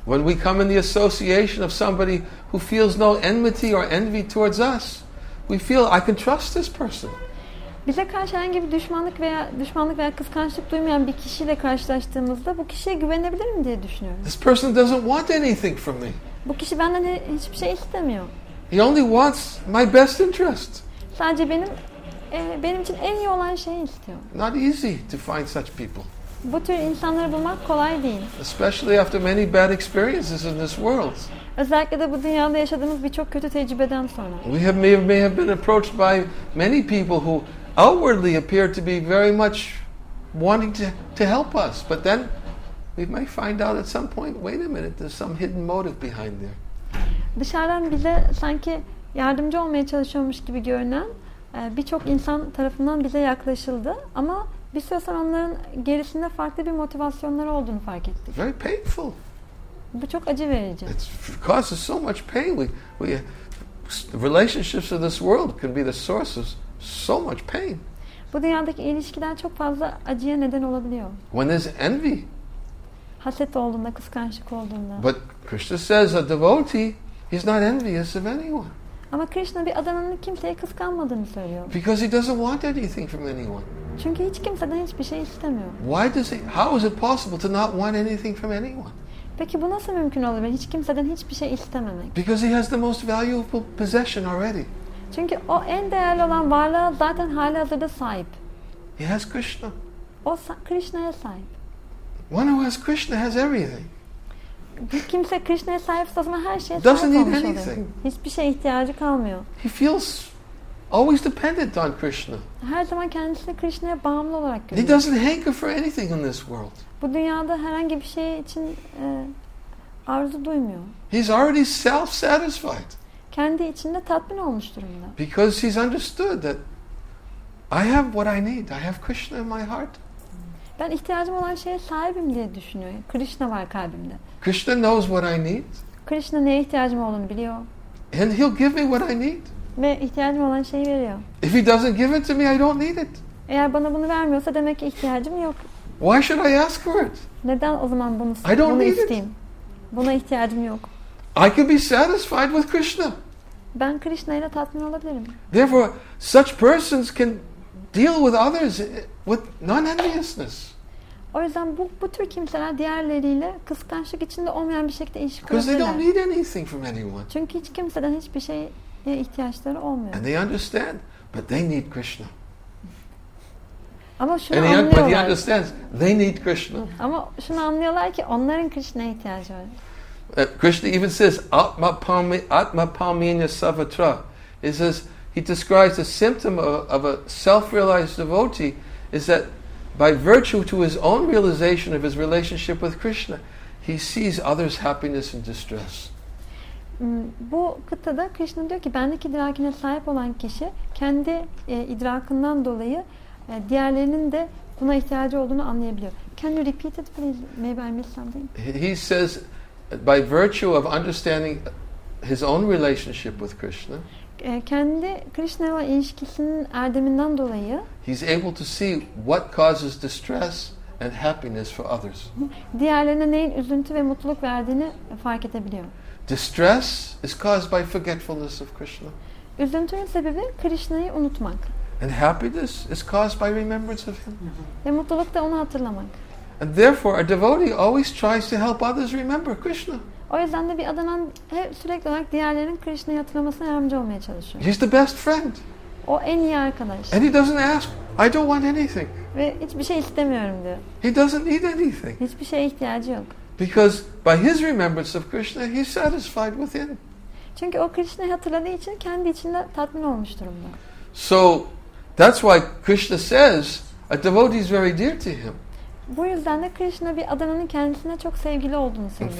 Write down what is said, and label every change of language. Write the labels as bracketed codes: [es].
[en] When we come in the association of somebody who feels no enmity or envy towards us, we feel I can trust this person. [tr] Bize karşı herhangi bir düşmanlık veya kıskançlık duymayan bir kişiyle karşılaştığımızda bu kişiye güvenebilirim diye düşünüyorum. [en] This person doesn't want anything from me. [tr] Bu kişi benden hiçbir şey istemiyor. [en] He only wants my best interest. [tr] Sadece benim için en iyi olan şeyi istiyor. [en] Not easy to find such people. [tr] Bu tür insanları bulmak kolay değil. [en] Especially after many bad experiences in this world. [tr] Özellikle de bu dünyada yaşadığımız birçok kötü tecrübeden sonra. [en] We have may have been approached by many people who outwardly appear to be very much wanting to help us, but then we may find out at some point, wait a minute, there's some hidden motive behind there. [tr] Dışarıdan bize sanki yardımcı olmaya çalışıyormuş gibi görünen birçok insan tarafından bize yaklaşıldı ama bir süre sonra onların gerisinde farklı bir motivasyonları olduğunu fark ettik. [en] Very painful. [tr] Bu çok acı verici. [en] It causes so much pain. We relationships of this world can be the sources so much pain. [tr] Bu dünyadaki ilişkiler çok fazla acıya neden olabiliyor. [en] When there's envy. [tr] Haset olduğunda, kıskançlık olduğunda. [en] But Krishna says a devotee is not envious of anyone. [tr] Ama Krishna bir adananı kimseye kıskanmadığını söylüyor. [en] Because he doesn't want anything from anyone. [tr] Çünkü hiç kimseden hiçbir şey istemiyor. [en] Why does he? How is it possible to not want anything from anyone? [tr] Peki bu nasıl mümkün olabilir? Hiç kimseden hiçbir şey istememek. [en] Because he has the most valuable possession already. [tr] Çünkü o en değerli olan varlığa zaten hali hazırda sahip. [en] He has Krishna. [tr] O Krishna'ya sahip. [en] One who has Krishna has everything. [tr] Bir kimse Krishna'ya sahipse o zaman her şeye [en] doesn't [tr] sahip olmuş [en] need anything. [tr] Olur. Hiçbir şeye ihtiyacı kalmıyor. [en] He feels always dependent on Krishna. [tr] Her zaman kendisini Krishna'ya bağımlı olarak görüyor. [en] He doesn't hanker for anything in this world. [tr] Bu dünyada herhangi bir şey için arzu duymuyor. [en] He's already self-satisfied. [tr] Kendi içinde tatmin olmuş durumda. [en] Because he's understood that I have what I need. I have Krishna in my heart. [tr] Ben ihtiyacım olan şeye sahibim diye düşünüyor. Krishna var kalbimde. [en] Krishna knows what I need. [tr] Krishna neye ihtiyacım olduğunu biliyor. [en] And he'll give me what I need. [tr] Ve ihtiyacım olan şeyi veriyor. [en] If he doesn't give it to me, I don't need it. [tr] Eğer bana bunu vermiyorsa demek ki ihtiyacım yok. [en] Why should I ask for it? [tr] Neden o zaman bunu [en] I don't [tr] bunu [en] need [tr] isteyeyim? [en] It. [tr] Buna ihtiyacım yok. [en] I can be satisfied with Krishna. [tr] Ben Krishna ile tatmin olabilirim. [en] Therefore, such persons can deal with others with non-enviousness. [tr] O yüzden bu tür kimseler diğerleriyle kıskançlık içinde olmayan bir şekilde ilişki kurabilirler. [en] Because they don't need anything from anyone. [tr] Çünkü hiç kimseden hiçbir şeye ihtiyaçları olmuyor. [en] And they understand, but they need Krishna. [tr] Ama şunu anlıyorlar. [en] But he understands, they need Krishna. [tr] Ama şunu anlıyorlar ki onların Krishna'ya ihtiyacı var. [en] Krishna even says, Atma Parmenya Savatra. He says, he describes the symptom of a self-realized devotee is that by virtue to his own realization of his relationship with Krishna, he sees others' happiness and distress. [tr] Bu kıtada Krishna diyor ki bendeki idrakine sahip olan kişi kendi idrakından dolayı diğerlerinin de buna ihtiyacı olduğunu anlayabiliyor. [en] Can you repeat it please? Maybe I missed something. He says by virtue of understanding his own relationship with Krishna, [tr] kendi Krishna ile ilişkisinin erdeminden dolayı [en] he's able to see what causes distress and happiness for others. [tr] Diğerlerine neyin üzüntü ve mutluluk verdiğini fark edebiliyor. [en] Distress is caused by forgetfulness of Krishna. [tr] Üzüntünün sebebi Krishna'yı unutmak. [en] And happiness is caused by remembrance of him. [tr] Ve mutluluk da onu hatırlamak. [en] And therefore a devotee always tries to help others remember Krishna. [tr] O yüzden de bir adanan sürekli olarak diğerlerinin Krishna'yı hatırlamasına yardımcı olmaya çalışıyor. [en] He's the best friend. [tr] O en iyi arkadaş. [en] And he doesn't ask, I don't want anything. [tr] Ve hiçbir şey istemiyorum diyor. [en] He doesn't need anything. [tr] Hiçbir şeye ihtiyacı yok. [en] Because by his remembrance of Krishna, he's satisfied within. [tr] Çünkü o Krishna'yı hatırladığı için kendi içinde tatmin olmuş durumda. [en] So that's why Krishna says a devotee is very dear to him. [tr] Bu yüzden de Krishna bir adananın kendisine çok sevgili olduğunu söylüyor.